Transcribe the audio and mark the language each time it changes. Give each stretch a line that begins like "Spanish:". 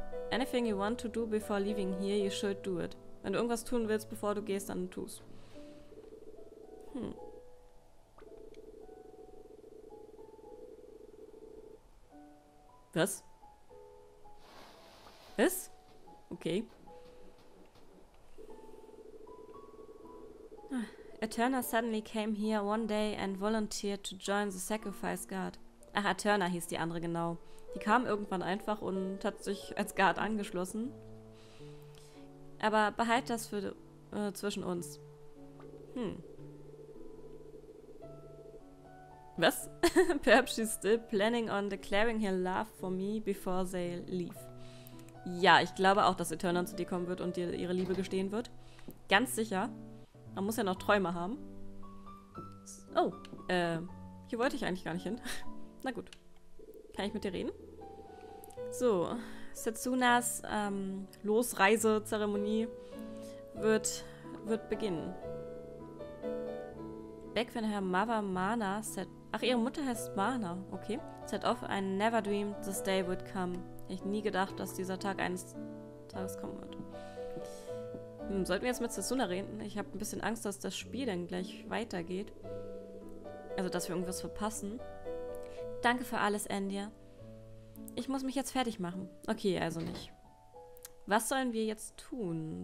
English: Anything you want to do before leaving here, you should do it.
German: Wenn du irgendwas tun willst, bevor du gehst, dann tu's. Was? Was? Okay.
English: Eterna suddenly came here one day and volunteered to join the Sacrifice Guard.
German: Ach, Eterna hieß die andere genau. Die kam irgendwann einfach und hat sich als Guard angeschlossen. Aber behalt das für zwischen uns. Hm.
English: Was? Perhaps she's still planning on declaring her love for me before they leave.
German: Ja, ich glaube auch, dass Eterna zu dir kommen wird und dir ihre Liebe gestehen wird. Ganz sicher. Man muss ja noch Träume haben. Oh, hier wollte ich eigentlich gar nicht hin. Na gut. Kann ich mit dir reden? So, Setsunas Losreisezeremonie wird beginnen.
English: Back when her mother Mana set...
German: Ach, ihre Mutter heißt Mana, okay.
English: Set off, I never dreamed this day would come.
German: Ich nie gedacht, dass dieser Tag eines Tages kommen wird. Sollten wir jetzt mit Setsuna reden? Ich habe ein bisschen Angst, dass das Spiel dann gleich weitergeht. Also, dass wir irgendwas verpassen. Danke für alles, Endia. Ich muss mich jetzt fertig machen. Okay, also nicht. Was sollen wir jetzt tun?